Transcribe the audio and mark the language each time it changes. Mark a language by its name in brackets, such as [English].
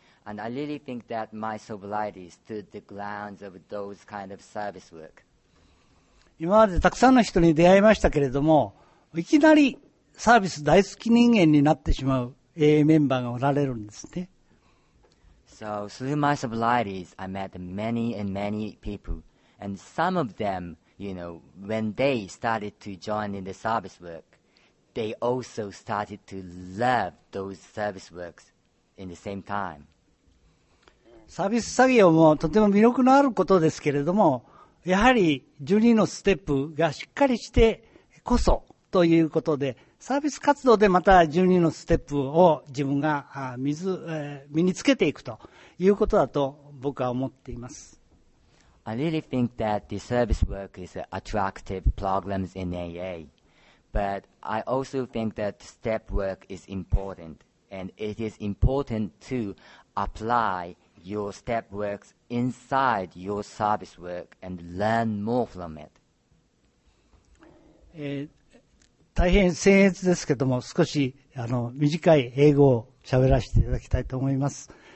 [English] And I really think that my sobriety stood the grounds of those kind of service work. [Japanese] 今までたくさんの人に出会いましたけれども、いきなりサービス大好き人間になってしまう AA メンバーがおられるんですね。 [English] So through my sobrieties, I met many and many people. And some of them, you know, when they started to join in the service work, they also started to love those service works in the same time. [Japanese] サービス作業もとても魅力のあることですけれども、やはり12のステップがしっかりしてこそということで、サービス活動でまた12のステップを自分が身につけていくということだと僕は思っています。 [English] I really think that the service work is an attractive program in AA, but I also think that step work is important, and it is important to apply your step works inside your service work and learn more from it. [Japanese] 大変僭越ですけども、少し短い英語を喋らせていただきたいと思います。